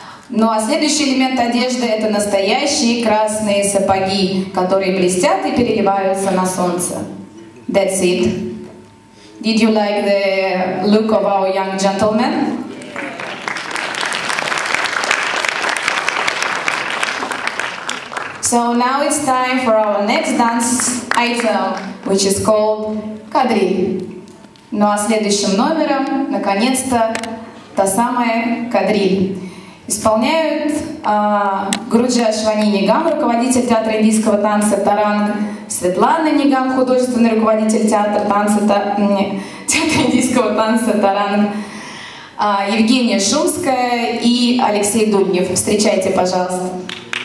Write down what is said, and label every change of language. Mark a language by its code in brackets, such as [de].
[ru] Ну а следующий элемент одежды – это настоящие красные сапоги, которые блестят и переливаются на солнце. [en] That's it. Did you like the look of our young gentleman? So now it's time for our next dance item, which is called кадриль. [ru] Ну а следующим номером, наконец-то, та самая кадриль. Исполняют Груджа Швани Нигам, руководитель театра индийского танца Таранг, Светлана Нигам, художественный руководитель театра индийского танца Таранг, Евгения Шумская и Алексей Дуднев. Встречайте, пожалуйста.